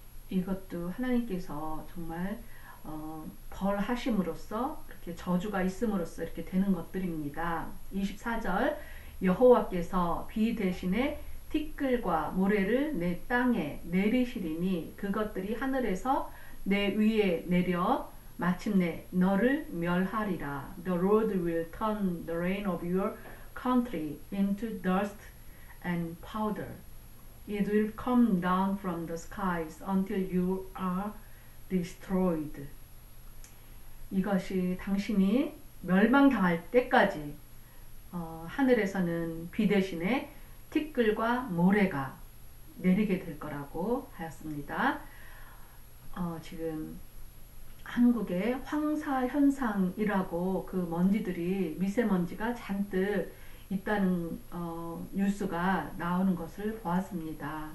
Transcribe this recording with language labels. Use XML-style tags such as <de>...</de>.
<ko>이것도 하나님께서 정말 벌하심으로써 이렇게 저주가 있음으로써 이렇게 되는 것들입니다. 24절 여호와께서 비 대신에 티끌과 모래를 내 땅에 내리시리니 그것들이 하늘에서 내 위에 내려 마침내 너를 멸하리라.</ko> <en>The road will turn the rain of your country into dust and powder. It will come down from the skies until you are destroyed.</en> <ko>이것이 당신이 멸망당할 때까지 하늘에서는 비 대신에 티끌과 모래가 내리게 될 거라고 하였습니다. 지금 한국에 황사 현상이라고 그 먼지들이 미세먼지가 잔뜩 있다는 뉴스가 나오는 것을 보았습니다.</ko>